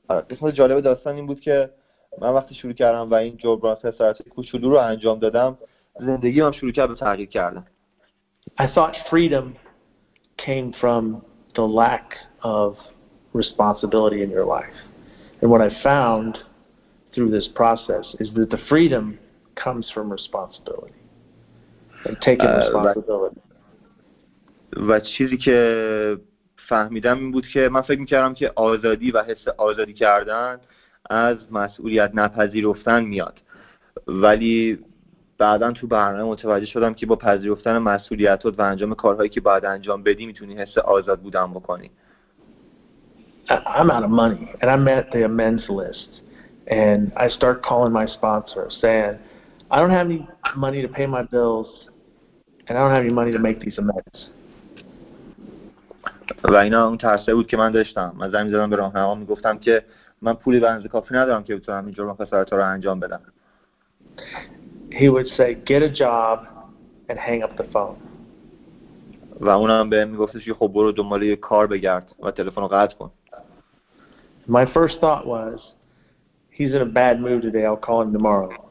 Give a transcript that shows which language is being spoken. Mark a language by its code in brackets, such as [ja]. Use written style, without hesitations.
[fa] قسمت جالب داستان این بود که من وقتی شروع کردم و این جبران خسارت کوچولو رو انجام دادم، زندگیم شروع کرد به تغییر کردن. [en] I thought freedom came from the lack of responsibility in your life. And what I found through this process is that the freedom comes from responsibility. And taking responsibility. [fa] و چیزی که فهمیدم این بود که من فکر می‌کردم که آزادی و حس آزادی کردن از مسئولیت نپذیرفتن میاد. ولی بعداً تو برنامه متوجه شدم که با پذیرفتن مسئولیتات و انجام کارهایی که باید انجام بدی می‌تونی حس آزاد بودن بکنی. [en] I'm out of money and I'm at the amends list and I start calling my sponsor saying I don't have any money to pay my bills and I don't have any money to make these amends. [fa] و اینا اون ترسه بود که من داشتم. من زنگ زدم به راهنما میگفتم که من پولی به اندازه کافی ندارم که بتونم اینجور مخسارات رو انجام بدم. [en] He would say get a job and hang up the phone. [fa] و اونم به میگفتش خب برو دنبال یه کار بگرد و تلفن رو قطع کن. [en] My first thought was, he's in a bad mood today, I'll call him tomorrow.